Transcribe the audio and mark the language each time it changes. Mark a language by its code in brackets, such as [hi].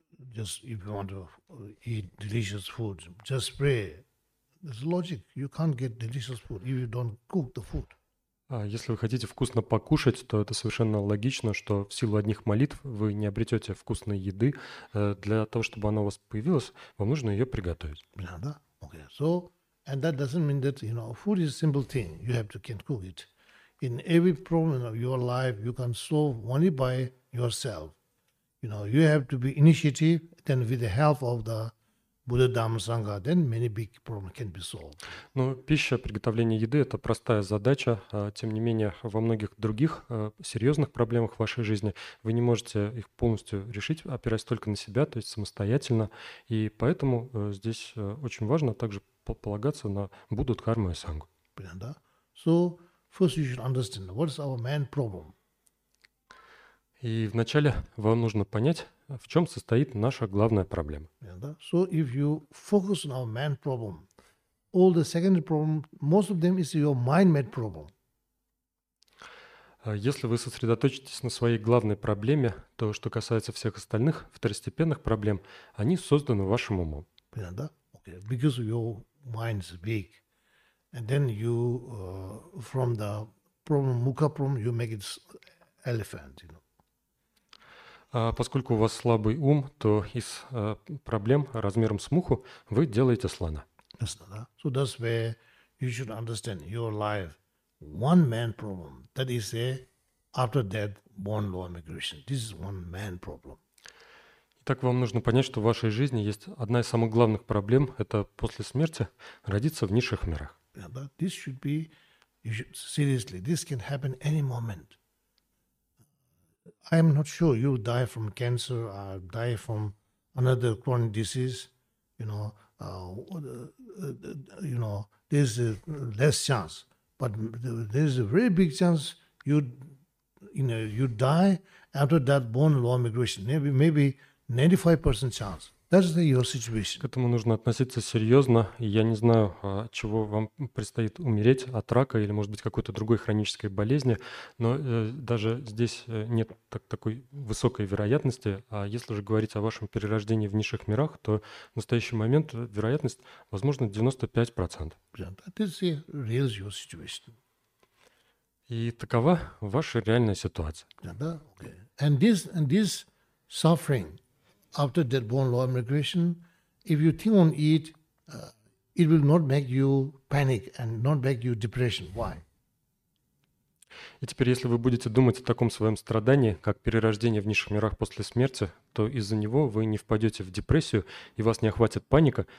[en] Just if you want to eat delicious food, just pray. It's logic. You can't get delicious food if you don't cook the food. [ru] Если вы хотите вкусно покушать, то это совершенно логично, что в силу одних молитв вы не обретете вкусной еды. Для того, чтобы она у вас появилась, вам нужно ее приготовить. Надо. [en] Okay. So, and that doesn't mean that, you know, food is a simple thing. You have to can cook it. In every problem of your life, you can solve only by yourself. You know, you have to be initiative, then with the help of the Buddha, Dhamma, Sangha, then many big problems can be solved. [ru] Но пища, приготовление еды – это простая задача. Тем не менее, во многих других серьезных проблемах в вашей жизни вы не можете их полностью решить, опираясь только на себя, то есть самостоятельно. И поэтому здесь очень важно также полагаться на Будду, Дхарму и Сангу. Да. [en] So, first you should understand, what is our main problem? [ru] И вначале вам нужно понять, в чем состоит наша главная проблема. [en] So if you focus on our main problem, all the secondary problem, most of them is your mind-made problem. [ru] Если вы сосредоточитесь на своей главной проблеме, то, что касается всех остальных второстепенных проблем, они созданы вашим умом. [en] Okay. Because your mind is big. And then you, from the problem, mukha problem, you make it elephant, you know. [ru] Поскольку у вас слабый ум, то из проблем размером с муху вы делаете слона. [en] So that's where you should understand your life. One man problem. That is a after death born lower migration. This is one man problem. [ru] Итак, вам нужно понять, что в вашей жизни есть одна из самых главных проблем. Это после смерти родиться в низших мирах. [en] This should be, you should, seriously, this can happen any moment. I am not sure you die from cancer or die from another chronic disease, you know, there's a less chance, but there's a very big chance you die after that bone lower migration, maybe 95% chance. That's your situation. [ru] К этому нужно относиться серьезно. Я не знаю, чего вам предстоит умереть от рака или, может быть, какой-то другой хронической болезни, но даже здесь нет такой высокой вероятности. А если же говорить о вашем перерождении в низших мирах, то в настоящий момент вероятность, возможно, 95%. И такова ваша реальная ситуация. [en] And this suffering after that bone lower migration, if you think on it, it will not make you panic and not make you depression. Why? [ru] И теперь, если вы будете думать о таком своем страдании, как перерождение в низших мирах после смерти, то из-за него вы не впадете в депрессию и вас не охватит паника.